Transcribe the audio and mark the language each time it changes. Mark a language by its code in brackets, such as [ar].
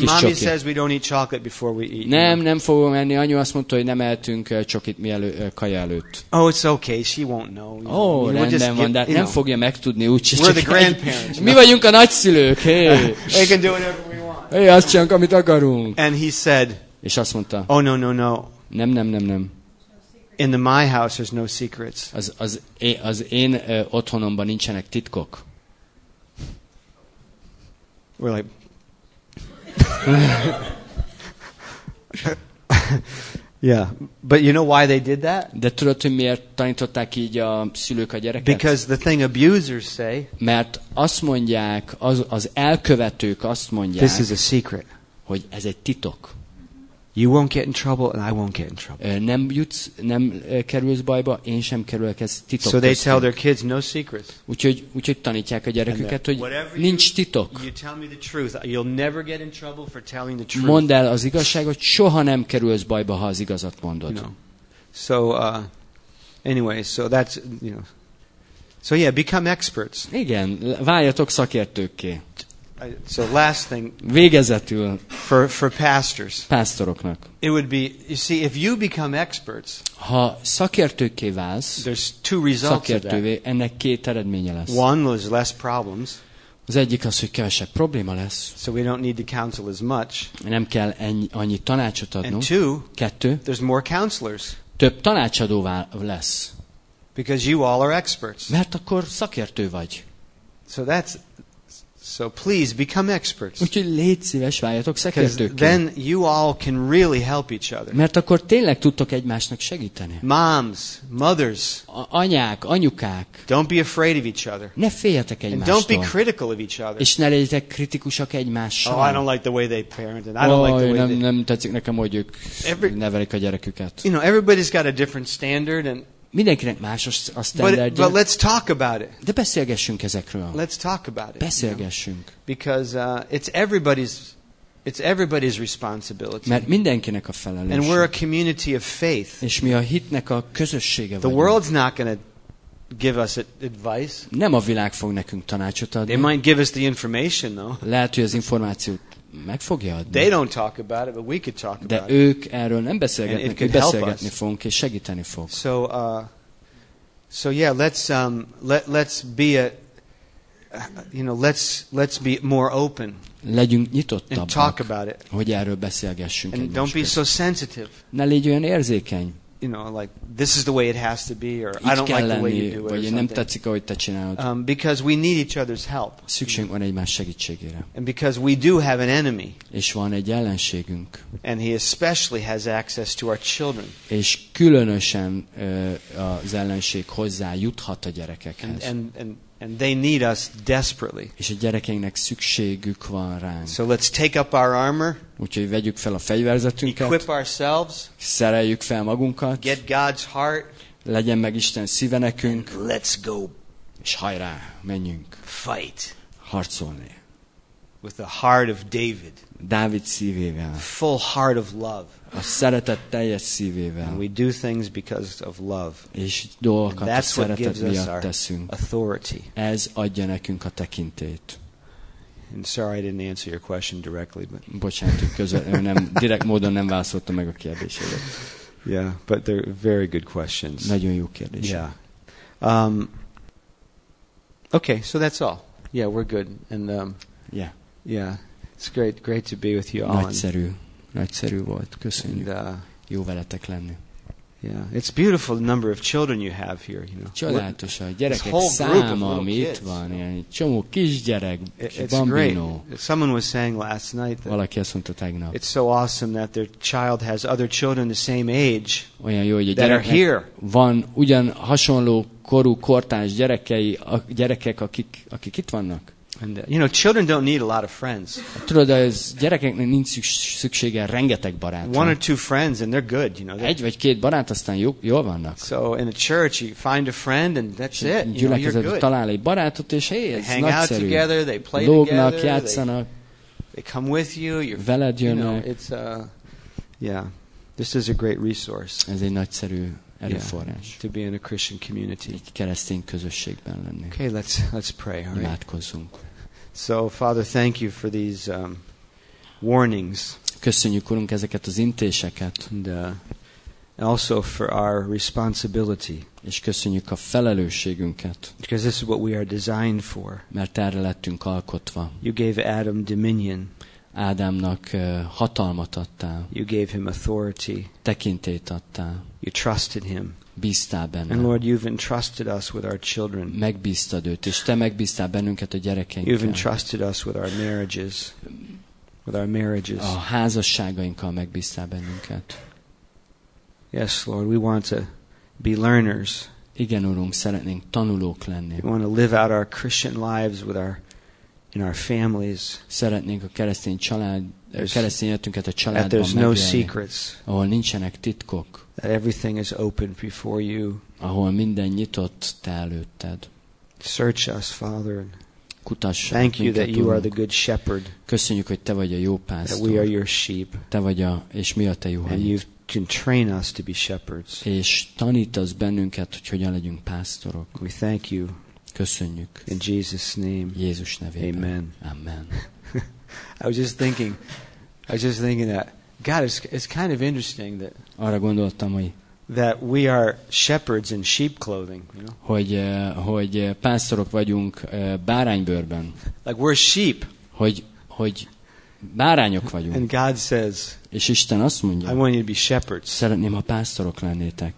[en] Mommy says we don't eat chocolate before we eat. [hu] Nem fogom enni. Anyu azt mondta, hogy nem ehetünk csokit kaja előtt. [en] Oh, it's okay. She won't know. [hu] Oh, rendben van, de nem fogja megtudni úgyse. [en] We're the grandparents. [hu] Mi vagyunk a nagyszülők. [en] Hey. We can do whatever we want. [hu] Hey, azt csinálunk, amit akarunk. [en] And he said. [hu] És azt mondta. [en] Oh, no. [hu] Nem. [en] In the my house there's no secrets. [hu] Az én otthonomban nincsenek titkok. [en] We're like, yeah. But you know why they did that? [hu] De tudod, hogy miért tanították így a szülők a gyereket? [en] Because the thing abusers say. [hu] Mert azt mondják, az elkövetők azt mondják. [en] This is a secret. [hu] Hogy ez egy titok. [en] You won't get in trouble, and I won't get in trouble. [hu] Nem kerülsz bajba, én sem kerülök ez titok. [en] So they tell their kids no secrets. [hu] Úgyhogy tanítják a gyereküket, hogy nincs titok. [en] You tell me the truth, you'll never get in trouble for telling the truth. [hu] Mondd el az igazságot, soha nem kerülsz bajba, ha az igazat mondod. [en] So anyway, so that's, you know. So yeah, become experts. [hu] Igen, váljatok szakértőkké. [en] So last thing, [hu] végezetül [en] for pastors, [hu] pásztoroknak. [en] It would be, you see, if you become experts, [hu] ha szakértőkké válsz, [en] there's two results of that. [hu] Ennek két eredménye lesz. [en] One is less problems. [hu] Az egyik az, hogy kevesebb probléma lesz. [en] So we don't need to counsel as much. [hu] Nem kell annyi tanácsot adnunk. [en] And two, [hu] kettő, [en] there's more counselors. [hu] Több tanácsadó lesz. [en] Because you all are experts. [hu] Mert akkor szakértő vagy. [en] So please become experts. [hu] Úgyhogy légy szíves, váljatok szakértőkké. [en] Then you all can really help each other. [hu] Mert akkor tényleg tudtok egymásnak segíteni. [en] Moms, mothers. [hu] Anyák, anyukák. [en] Don't be afraid of each other. [hu] Ne féljetek egymástól. [en] And don't be critical of each other. [hu] És ne legyetek kritikusak egymással. [en] Oh, I don't like the way they parent and I don't like the way they. [hu] Nem tetszik nekem, hogy ők nevelik a gyereküket. [en] You know, everybody's got a different standard and. [hu] Mindenkinek más a standardja. [en] But let's talk about it. [hu] De beszélgessünk ezekről. [en] Let's talk about it. [hu] Beszélgessünk. [en] You know? Because it's everybody's responsibility. [hu] Mert mindenkinek a felelősség. [en] And we're a community of faith. [hu] És mi a hitnek a közössége vagyunk. [en] The world's not going to give us advice. [hu] Nem a világ fog nekünk tanácsot adni. [en] They might give us the information though. [hu] Lehet, hogy az információt meg fogja adni. [en] They don't talk about it, but we could talk [hu] de [en] about [hu] ők erről nem beszélgetnek, mi beszélgetni fogunk és segíteni fog. [en] So yeah, let's be more open. [hu] Legyünk nyitottabbak. [en] And talk about it. [hu] Hogy erről beszélgessünk. [en] And don't be so sensitive. [hu] Ne légy olyan érzékeny. [en] You know, like this is the way it has to be, or I don't like the way you do it. [hu] Vagy nem tetszik, ahogy te csinálod. [en] Because we need each other's help. [hu] Szükségünk van egymás segítségére. [en] And because we do have an enemy. [hu] És van egy ellenségünk. [en] And he especially has access to our children. [hu] És különösen az ellenség hozzá juthat a gyerekekhez. [en] And And they need us desperately. [hu] És a gyerekeinknek szükségük van ránk. [en] So let's take up our armor. [hu] Úgyhogy vegyük fel a fegyverzetünket. [en] Equip ourselves. [hu] Szereljük fel magunkat. [en] Get God's heart. [hu] Legyen meg Isten szíve nekünk. [en] And let's go. [hu] És hajrá, menjünk. [en] Fight. [hu] Harcolni. [en] With the heart of David. [hu] Dávid szívével. [en] Full heart of love. [hu] A szeretet teljes szívével. [en] And we do things because of love. [hu] És dolgokat a szeretet miatt teszünk. [en] Authority. [hu] Ez adja nekünk a tekintét. [en] And sorry I didn't answer your question directly, but. [hu] Bocsánat, nem direkt módon nem válaszoltam meg a kérdésedet. [en] Yeah, but they're very good questions. [hu] Nagyon jó kérdés. [en] Yeah. Okay, so that's all. Yeah, we're good. And yeah. Yeah. It's great, great to be with you all. [hu] Nagyszerű. Nagyszerű volt, köszönjük. [en] And, [hu] jó veletek lenni. [en] Yeah, it's beautiful the number of children you have here, you know. [hu] Csodálatos a gyerekek száma, ami itt van, ilyen csomó kisgyerek, bambino. [en] Someone was saying last night that [hu] valaki azt mondta tegnap. [en] It's so awesome that their child has other children the same age. [hu] Olyan jó, hogy a gyereknek van ugyan hasonló korú kortárs gyerekei, a gyerekek, akik itt vannak. [en] And you know, children don't need a lot of friends. [hu] Tudod, a gyerekeknek nincs szüksége rengeteg barátra. [en] One or two friends and they're good, you know. [hu] Egy vagy két barát, aztán jól vannak. [en] So in a church, you find a friend and that's it. You know, you're good. [hu] Talál egy barátot, és hey, ez [en] nagyszerű. Hang out together, they play together. [hu] Lógnak, játszanak. [en] They come with you. You're [hu] veled jönnek. [en] You know, it's yeah. This is a great resource. [hu] Ez egy nagyszerű erőforrás. [en] Yeah, to be in a Christian community. [hu] Egy keresztény közösségben lenni. [en] Okay, let's pray. All right? [hu] Imádkozzunk. [en] So, Father, thank you for these warnings. [hu] Köszönjük, Urunk, ezeket az intéseket. [en] And also for our responsibility. [hu] És köszönjük a felelősségünket. [en] Because this is what we are designed for. [hu] Mert erre lettünk alkotva. [en] You gave Adam dominion. [hu] Ádámnak hatalmat adtál. [en] You gave him authority. [hu] Tekintélyt adtál. [en] You trusted him. [hu] Bíztál benne. [en] And Lord, you've entrusted us with our children. [hu] Megbíztad őt, és te megbíztál bennünket a gyerekeinkkel. [en] You've entrusted us with our marriages. With our marriages. [hu] A házasságainkkal megbíztál bennünket. [en] Yes, Lord, we want to be learners. [hu] Igen, Urunk, szeretnénk tanulók lenni. [en] We want to live out our Christian lives with our in our families. [hu] Szeretnénk a keresztény család keresztény életünket a családban. [en] There's no secrets. [hu] Ahol nincsenek titkok. [en] That everything is open before you. [hu] Ahol minden nyitott te előtted. [en] Search us, Father. [hu] Kutass [en] thank you that you are the good shepherd. [hu] Köszönjük, hogy te vagy a jó pásztor. [en] That we are your sheep. [hu] Te vagy a, és mi a te juhaink. [en] And you can train us to be shepherds. [hu] És tanítasz bennünket, hogy hogyan legyünk pásztorok. [en] We thank you. [hu] Köszönjük. [en] In Jesus' name. [hu] Jézus nevében. Amen. Amen. [en] I was just thinking that God, it's kind of interesting that [hu] arra gondoltam, hogy [en] that we are shepherds in sheep clothing, you know? [hu] Hogy pásztorok vagyunk báránybőrben. [en] Like we're sheep. [hu] Hogy bárányok vagyunk. [en] And God says, [hu] és Isten azt mondja, [en] I want you to be shepherds. [hu] Szeretném, ha pásztorok lennétek.